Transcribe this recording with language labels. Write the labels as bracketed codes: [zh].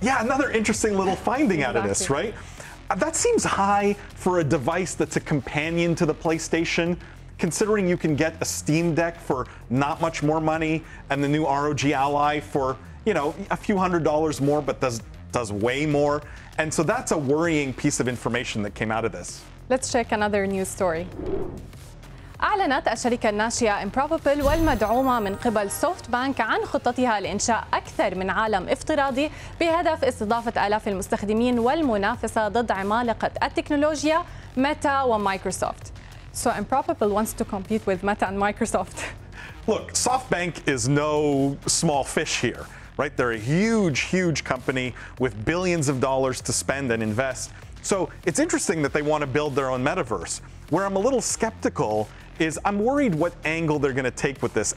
[en] Yeah, another interesting little finding out of this, right? That seems high for a device that's a companion to the PlayStation. Considering you can get a Steam Deck for not much more money and the new ROG Ally for, you know, a few hundred dollars more, but does way more. And so that's a worrying piece of information that came out of this. Let's check another news story. [ar] أعلنت الشركة الناشئة Improbable والمدعومة من قبل سوفت بانك عن خطتها لإنشاء أكثر من عالم افتراضي بهدف استضافة آلاف المستخدمين والمنافسة ضد عمالقة التكنولوجيا ميتا ومايكروسوفت. [en] So Improbable wants to compete with Meta and Microsoft. Look, SoftBank is no small fish here, right? They're a huge, huge company with billions of dollars to spend and invest. So it's interesting that they want to build their own metaverse. Where I'm a little skeptical is I'm worried what angle they're going to take with this.